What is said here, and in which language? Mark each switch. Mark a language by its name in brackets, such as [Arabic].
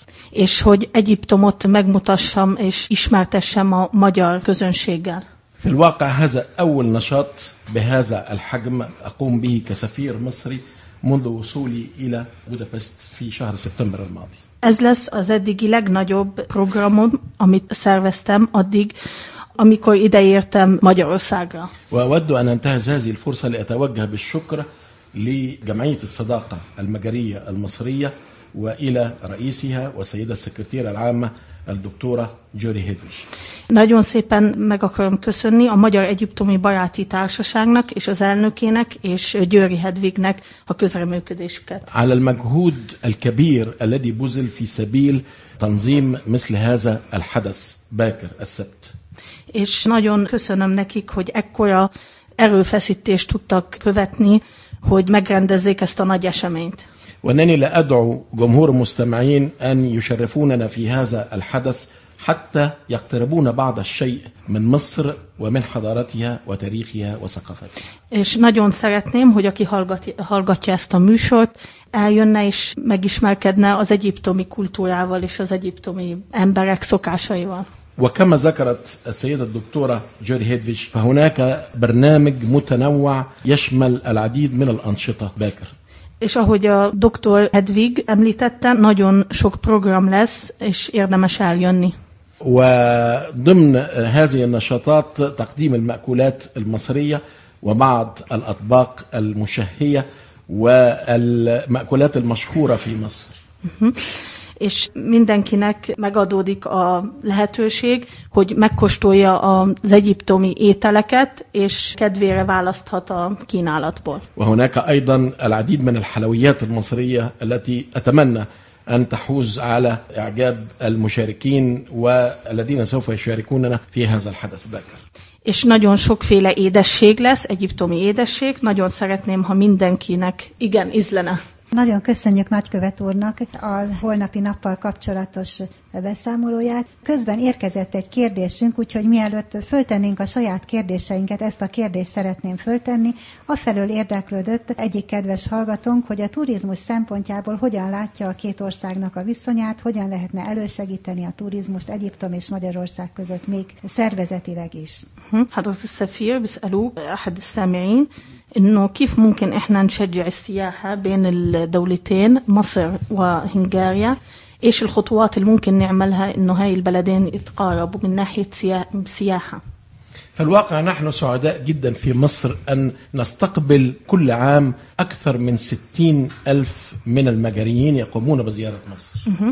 [Hungarian] És hogy Egyiptomot megmutassam és ismertessem a magyar közönséggel. [Arabic] في الواقع هذا أول نشاط بهذا الحجم أقوم به كسفير مصري منذ وصولي إلى بودابست في شهر سبتمبر الماضي. [Hungarian] Ez lesz az eddigi legnagyobb programom, amit szerveztem addig, amikor ideértem Magyarországra. [Arabic] وأود أن أنتهز هذه الفرصة لأتوجه بالشكر لجمعية الصداقة المجرية المصرية وإلى رئيسها وسيدة السكرتيرة العامة الدكتورة جوري هيدريش. [Hungarian] Nagyon szépen meg akarom köszönni a Magyar Egyiptomi Baráti Társaságnak és az elnökének és Győri Hedvignek a közreműködésüket. [Arabic] على المجهود الكبير الذي بذل في سبيل تنظيم مثل هذا الحدث باكر السبت. [Hungarian] És nagyon köszönöm nekik, hogy ekkora erőfeszítést tudtak követni, hogy megrendezzék ezt a nagy eseményt. [Arabic] وأنني لا أدعو جمهور المستمعين أن يشرفوننا في هذا الحدث حتى يقتربون بعض الشيء من مصر ومن حضارتها وتاريخها وثقافتها. [Hungarian] És nagyon szeretném, hogy aki hallgatja ezt a műsort, eljönne és megismerkedne az egyiptomi kultúrával és az egyiptomi emberek szokásaival. [Arabic] وكما ذكرت السيدة الدكتورة جوري هيدفيش فهناك برنامج متنوع يشمل العديد من الأنشطة باكر. [Hungarian] És ahogy a dr. Hedvig említette, nagyon sok program lesz, és érdemes eljönni. [Arabic] وضمن هذه النشاطات تقديم المأكولات المصرية وبعض الأطباق المشهية والمأكولات المشهورة في مصر. [Hungarian] És mindenkinek megadódik a lehetőség, hogy megkóstolja az egyiptomi ételeket, és kedvére választhat a kínálatból. [Arabic] وهناك أيضا العديد من الحلويات المصرية التي أتمنى أن تحوز على إعجاب المشاركين والذين سوف يشاركوننا في هذا الحدث باكر. [Hungarian] És nagyon sokféle édesség lesz, egyiptomi édesség. Nagyon szeretném, ha mindenkinek igen ízlene. Nagyon köszönjük nagykövet úrnak a holnapi nappal kapcsolatos beszámolóját. Közben érkezett egy kérdésünk, úgyhogy mielőtt föltennénk a saját kérdéseinket, ezt a kérdést szeretném föltenni. Afelől érdeklődött egyik kedves hallgatónk, hogy a turizmus szempontjából hogyan látja a két országnak a viszonyát, hogyan lehetne elősegíteni a turizmust Egyiptom és Magyarország között még szervezetileg is. [Arabic] Hát az Szefir, bizt elúg, ahad szemein, إنه كيف ممكن إحنا نشجع السياحة بين الدولتين مصر وهنغاريا إيش الخطوات اللي ممكن نعملها إنه هاي البلدين يتقاربوا من ناحية سياحة فالواقع نحن سعداء جدا في مصر أن نستقبل كل عام أكثر من 60,000 من المجاريين يقومون بزيارة مصر